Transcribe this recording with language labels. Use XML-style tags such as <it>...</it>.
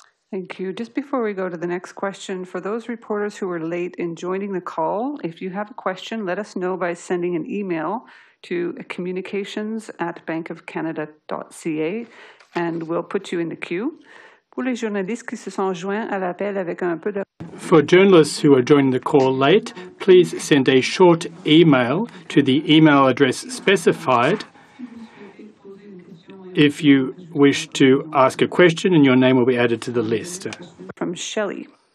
<en>Thank you. Just before we go to the next question, for those reporters who are late in joining the call, if you have a question, let us know by sending an email to communications@bankofcanada.ca, and we'll put you in the queue.</en> <fr>Pour les journalistes qui se sont joints à l'appel avec un peu de...</fr> <en>For journalists who are joining the call late, please send a short email to the email address specified. If you wish to ask a question, and your name will be added to the list. From Shelley.</en>